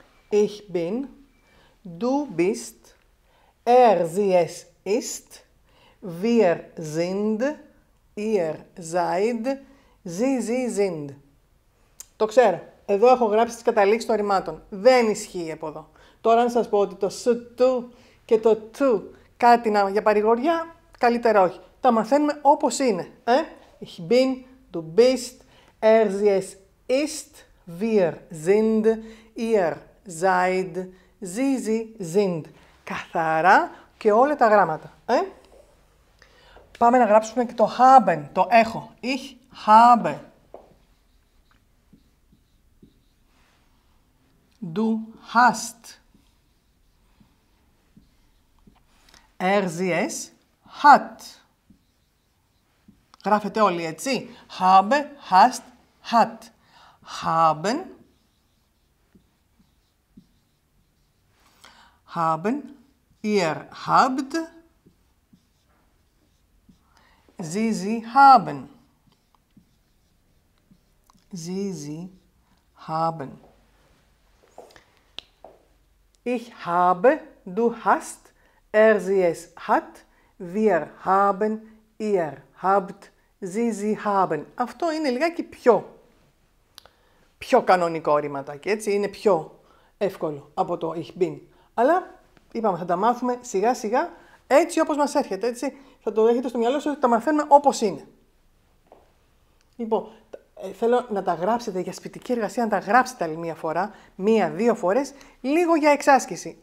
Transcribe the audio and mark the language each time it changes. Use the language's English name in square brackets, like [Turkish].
[German] Ich bin, du bist, sie, es ist, wir sind, ihr seid, sie sind. [Greek] Το ξέρω. Εδώ έχω γράψει τις καταλήξεις των ρημάτων. Δεν ισχύει από εδώ. Τώρα να σας πω ότι το σου του και το του κάτι να, για παρηγοριά, καλύτερα όχι. Τα μαθαίνουμε όπως είναι. Ε? [German] Ich bin, du bist, sie, es ist, wir sind, ihr Seid, Sie, sind. [Greek] Καθαρά και όλα τα γράμματα. Ε? Πάμε να γράψουμε και το haben, το έχω. [German] Ich habe. Du hast. Sie, es hat. [Greek] Γράφετε όλοι έτσι. [German] Habe, hast, hat. Haben. Haben, ihr habt, sie haben. Sie sie haben. Ich habe, du hast, sie es hat, wir haben, ihr habt, sie haben. [Greek] Αυτό είναι λιγάκι πιο κανονικό ρηματάκι, έτσι, είναι πιο εύκολο από το ich bin. Αλλά είπαμε, θα τα μάθουμε σιγά σιγά, έτσι όπως μας έρχεται, έτσι. Θα το έχετε στο μυαλό σας ότι τα μαθαίνουμε όπως είναι. Λοιπόν, θέλω να τα γράψετε για σπιτική εργασία, να τα γράψετε άλλη μία φορά, μία-δύο φορές, λίγο για εξάσκηση.